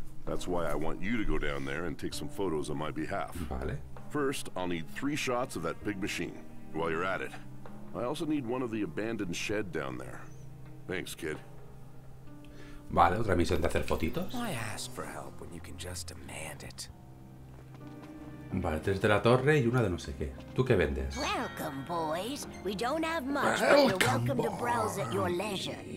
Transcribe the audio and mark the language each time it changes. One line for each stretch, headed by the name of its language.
English: That's why I want you to go down there and take some photos on my behalf.
Spanish: Vale.
English: First, I'll need 3 shots of that big machine, while you're at it. I also need one of the abandoned shed down there. Thanks, kid.
Spanish: Vale, otra misión de hacer fotitos.
English: I ask for help when you can just demand it.
Spanish: Vale, 3 de la torre y 1 de no sé qué. ¿Tú qué vendes?
English: Welcome, boys. We don't have much, but you're welcome to browse at your leisure.